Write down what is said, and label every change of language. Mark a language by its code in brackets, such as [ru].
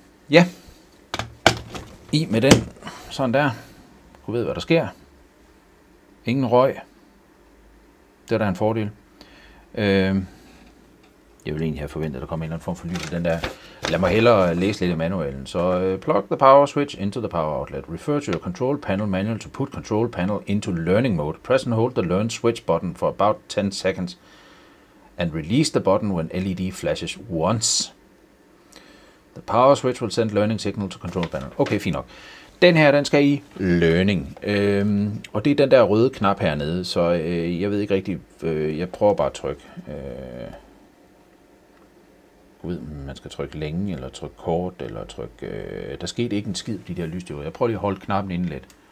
[da] Ja, i med den, sådan der. Du ved, hvad der sker. Ingen røg. Det er da en fordel. Jeg ville egentlig have forventet, at der kom en eller anden form for lys i den der. Lad mig hellere læse lidt i manualen. Så [en] plug the power switch into the power outlet. Refer to your control panel manual to put control panel into learning mode. Press and hold the learn switch button for about 10 seconds. And release the button when LED flashes once. The power switch will send learning signal to control panel. [da] Okay, fint nok. Den her, den skal i learning. Og det er den der røde knap hernede, så jeg ved ikke rigtig. Jeg prøver bare at trykke. Ved, man skal trykke længe, eller trykke kort, eller trykke. Der skete ikke en skid på de der lysstyrker. Jeg prøver lige at holde knappen inde lidt.